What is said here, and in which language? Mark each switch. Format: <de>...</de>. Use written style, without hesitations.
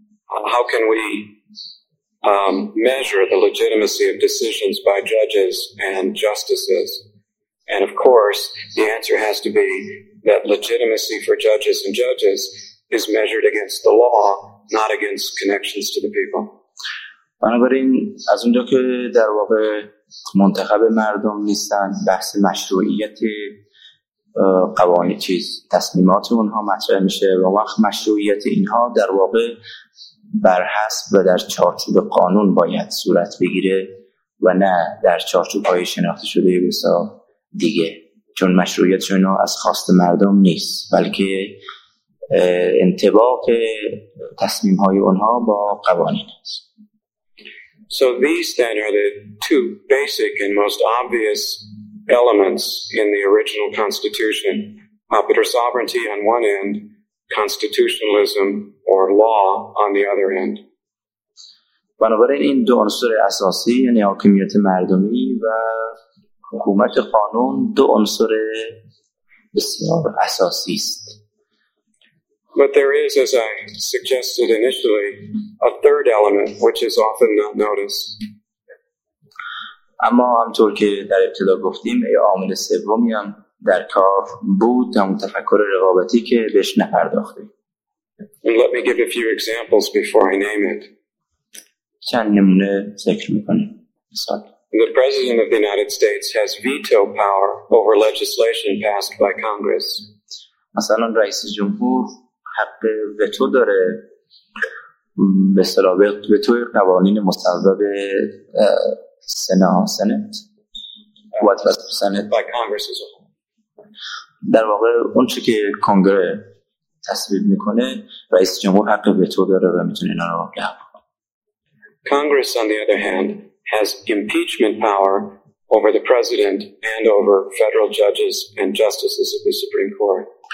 <en>How can we measure the legitimacy of decisions by judges and justices? And of course, the answer has to be that legitimacy for judges and judges is measured against the law, not against connections to the people.</en> <fa>بنابراین از اونجا که در واقع منتخب مردم نیستن بحث مشروعیت قوانین چیز تصمیمات اونها مطرح میشه و وقت مشروعیت اینها در واقع بر حسب و در چارچوب قانون باید صورت بگیره و نه در چارچوب‌های شناخته شده بسیار دیگه چون مشروعیت شون از خواست مردم نیست بلکه انطباق تصمیم‌های اونها با قوانین است.</fa> <en>So these then are the two basic and most obvious elements in the original constitution. Popular sovereignty on one end, constitutionalism or law on the other end.</en> <fa>بنابراین این دو عنصر اساسی یعنی حاکمیت مردمی و حکومت قانون دو عنصر بسیار اساسی است.</fa> <en>But there is, as I suggested initially, a third element which is often not noticed.</en> <fa>اما همطور که در ابتدا گفتیم عامل سومی هم در کار بود هم تفکر رقابتی که بهش نپرداختیم.</fa> <en>Let me give a few examples before I name it.</en> <fa>چند نمونه ذکر میکنیم.</fa> <en>The President of the United States has veto power over legislation passed by Congress.</en> <fa>مثلا رئیس جمهور حق وتو داره به صلاحیت وتو قوانین مصوبه سنا</fa> <en>sent what was sent by Congress از</en> <fa>در واقع اون چیزی که کنگره تصویب میکنه رئیس جمهور حق وتو داره و میتونه اینا رو لغو کنه.</fa> <en>Congress on the other hand has impeachment power over the president and over federal judges and justices of the Supreme Court.</en>